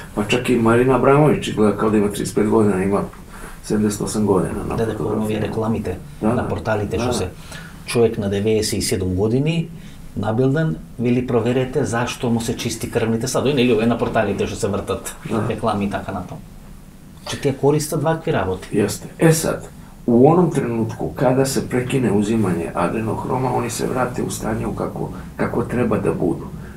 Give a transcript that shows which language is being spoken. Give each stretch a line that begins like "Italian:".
Serbian: Pa čak i Marina Abramović gleda kao da ima 35 godina, ima 78
Macedonian: година на фотографија. Дедеко, овие рекламите на порталите, шо се човек на 97 години, набилден, вели проверете зашто му се чисти крвните садови, или овие на порталите шо се вртат реклами и така на тоа. Че тие користат вакви работи? Јесте.
Serbian: Е сад, у оном тренутку када се прекине узимање аденохрома, они се врате у стање како треба да буду.